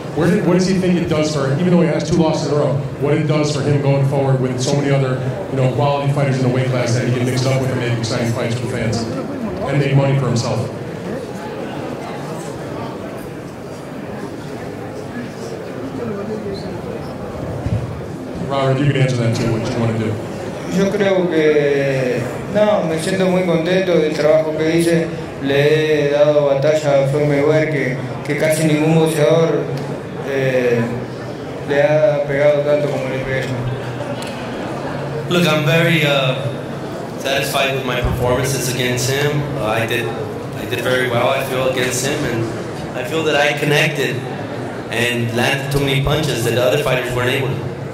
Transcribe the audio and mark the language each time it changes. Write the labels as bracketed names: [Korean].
[English] What does he think it does for him, even though he has two losses in a row, what it does for him going forward with so many other, quality fighters in the weight class that he can mix up with and make exciting fights for fans and make money for himself? Robert, you can answer that too, what you want to do. [Spanish] Yo creo que, no, me siento muy contento del trabajo que hice. Le he dado batalla a Floyd Mayweather que casi ningún boxeador le ha pegado tanto como le pegué yo. [English] Look, I'm very satisfied with my performances against him. I did very well, I feel, against him, and I feel that I connected and landed too many punches that the other fighters weren't able to.